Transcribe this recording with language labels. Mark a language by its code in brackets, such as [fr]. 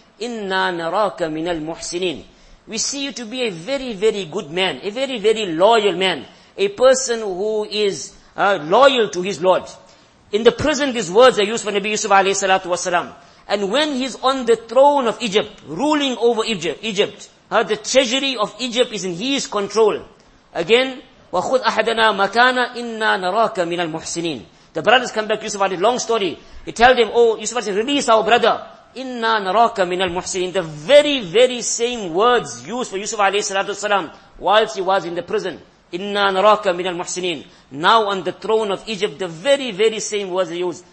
[ar] Inna naraka minal muhsinin. [en] We see you to be a very, very good man, a very, very loyal man, a person who is loyal to his Lord. In the prison, these words are used by Nabi Yusuf alayhi salatu wasalam. And when he's on the throne of Egypt, ruling over Egypt, the treasury of Egypt is in his control. Again, [ar] وَخُذْ أَحَدَنَا مَكَانَا إِنَّا نَرَاكَ مِنَ الْمُحْسِنِينَ. [en] The brothers come back, Yusuf alayhi, long story. He tell them, oh, Yusuf alayhi, release our brother. [ar] Inna naraka minal muhsinin. [en] The very, very same words used for Yusuf alayhi salatu wasalam whilst he was in the prison. [ar] Inna naraka minal muhsinin. [en] Now on the throne of Egypt, the very, very same words are used.